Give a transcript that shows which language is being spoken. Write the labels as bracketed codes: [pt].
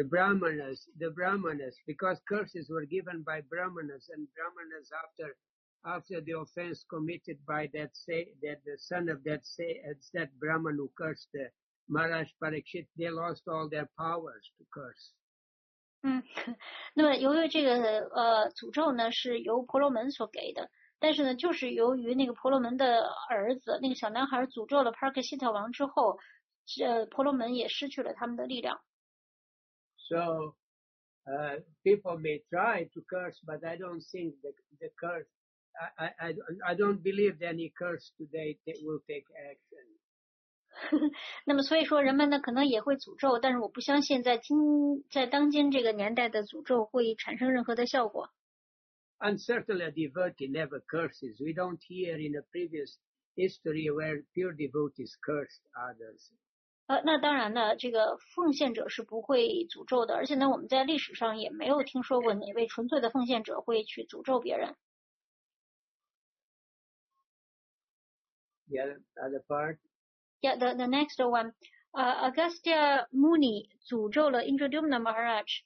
[en] The Brahmanas, because curses were given by Brahmanas, and Brahmanas after the offense committed by that Brahman who cursed theMaharaj Parikshit, they lost all their powers to curse. [zh] 那么由于这个诅咒呢是由婆罗门所给的，但是呢就是由于那个婆罗门的儿子那个小男孩诅咒了帕克希特王之后，婆罗门也失去了他们的力量。 [en] So people may try to curse, but I don't think the curse, I don't believe that any curse today will take action. [zh] 那么所以说人们呢可能也会诅咒，但是我不相信在当今这个年代的诅咒会产生任何的效果。 [en] And certainly a devotee never curses. We don't hear in the previous history where pure devotees cursed others. [zh] 那当然呢，这个奉献者是不会诅咒的，而且呢，我们在历史上也没有听说过哪位纯粹的奉献者会去诅咒别人。 [en] Yeah, other part. Yeah, the next one. Agastya Muni [zh] 诅咒了 [en] Indradyumna Maharaj.